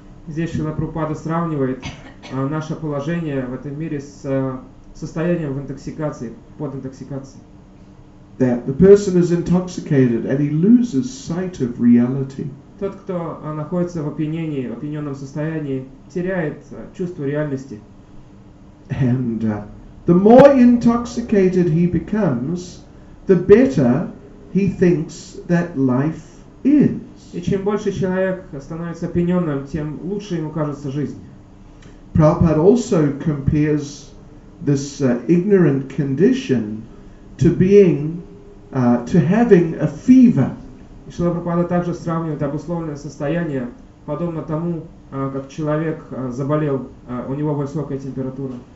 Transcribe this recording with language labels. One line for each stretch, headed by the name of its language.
Russian: Здесь Шрила Прабхупада сравнивает наше положение в этом мире с состоянием в интоксикации, под интоксикацией.
English: That the person is intoxicated and he loses sight of reality.
Russian: Тот, кто находится в опьянении, в опьяненном состоянии, теряет чувство реальности.
English: And the more intoxicated he becomes, the better he thinks that life is.
Russian: И чем больше человек становится опьяненным, тем лучше ему кажется жизнь.
English: Prabhupada also compares this ignorant condition to being, to having a fever.
Russian: Шрила Прабхупада также сравнивает обусловленное состояние подобно тому, как человек заболел, у него высокая температура.